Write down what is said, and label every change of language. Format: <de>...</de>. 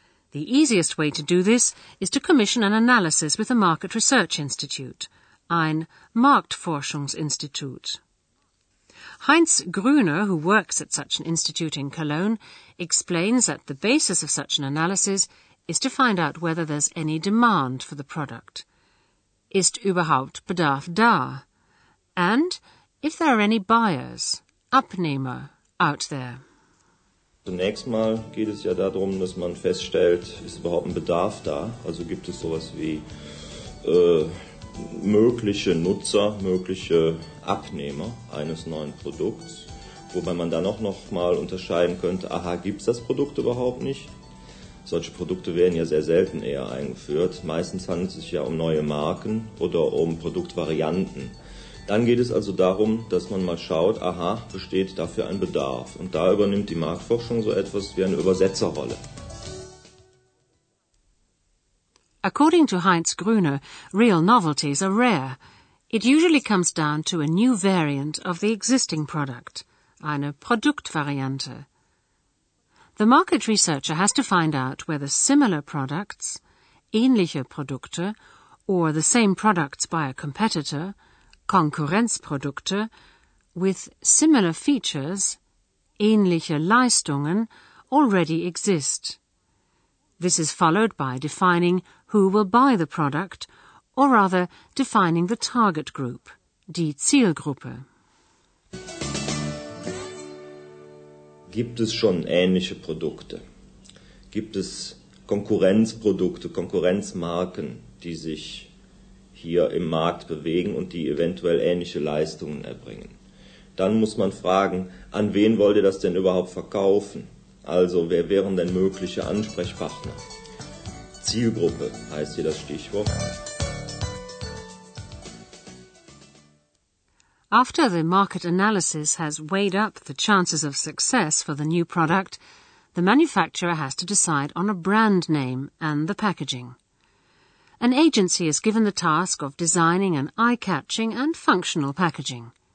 <en>The easiest way to do this is to commission an analysis with a market research institute, ein Marktforschungsinstitut. Heinz Grüner, who works at such an institute in Cologne, explains that the basis of such an analysis is to find out whether there's any demand for the product.</en> <de>Ist überhaupt Bedarf da?</de> <en>And if there are any buyers, Abnehmer, out there.</en> <de>Zunächst mal geht es ja darum, dass man feststellt, ist überhaupt ein Bedarf da? Also gibt es sowas wie mögliche Nutzer, mögliche Abnehmer eines neuen Produkts, wobei man dann auch nochmal unterscheiden könnte, aha, gibt es das Produkt überhaupt nicht? Solche Produkte werden ja sehr selten eher eingeführt. Meistens handelt es sich ja um neue Marken oder um Produktvarianten. Dann geht es also darum, dass man mal schaut, aha, besteht dafür ein Bedarf? Und da übernimmt die Marktforschung so etwas wie eine Übersetzerrolle.</de> <en>According to Heinz Grüner, real novelties are rare. It usually comes down to a new variant of the existing product, eine Produktvariante. The market researcher has to find out whether similar products,</en> <de>ähnliche Produkte,</de> <en>or the same products by a competitor, Konkurrenzprodukte, with similar features,</en> <de>ähnliche Leistungen,</de> <en>already exist. This is followed by defining who will buy the product, or rather defining the target group, die Zielgruppe.</en> <de>Gibt es schon ähnliche Produkte? Gibt es Konkurrenzprodukte, Konkurrenzmarken, die sich hier im Markt bewegen und die eventuell ähnliche Leistungen erbringen? Dann muss man fragen, an wen wollt ihr das denn überhaupt verkaufen? Also, wer wären denn mögliche Ansprechpartner? Zielgruppe heißt hier das Stichwort.</de> <en>After the market analysis has weighed up the chances of success for the new product, the manufacturer has to decide on a brand name and the packaging. An agency is given the task of designing an eye-catching and functional packaging.</en>